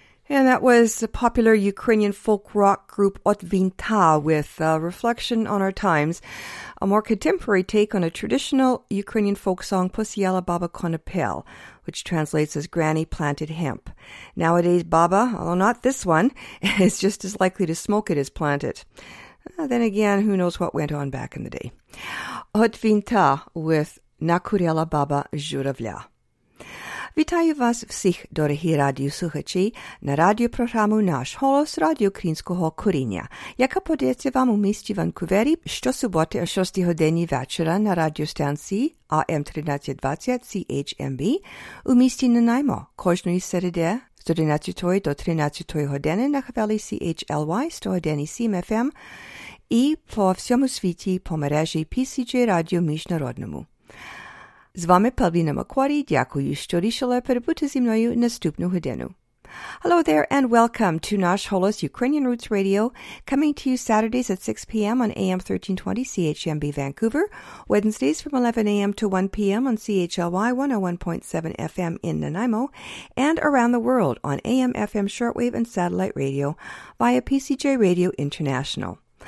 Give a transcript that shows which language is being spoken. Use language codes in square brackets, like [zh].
[en] And that was the popular Ukrainian folk rock group Otvinta with Reflection on Our Times, a more contemporary take on a traditional Ukrainian folk song, Pusiala Baba Konopel, which translates as Granny Planted Hemp. Nowadays, Baba, although not this one, is just as likely to smoke it as plant it. Then again, who knows what went on back in the day. Otvinta with Nakurela Baba Zhuravlya. [uk] Вітаю вас всіх, дорогі радіослухачі, на радіопрограму «Наш голос» Радіо Українського коріння, яка подається вам у місті Ванкувері щосуботи о 6 годині вечора на радіостанції AM1320 CHMB у місті Нанаймо кожної середи з 11 до 13 години на хвилі CHLY 101 CMFM і по всьому світі по мережі PCJ Радіо Міжнародному. З вами Павліна Макварі. Дякую, що рішили перебути зі мною наступну годину. [en] Hello there and welcome to Nash Holos Ukrainian Roots Radio, coming to you Saturdays at 6 p.m. on AM 1320 CHMB Vancouver, Wednesdays from 11 a.m. to 1 p.m. on CHLY 101.7 FM in Nanaimo, and around the world on AM, FM, shortwave, and satellite radio via PCJ Radio International.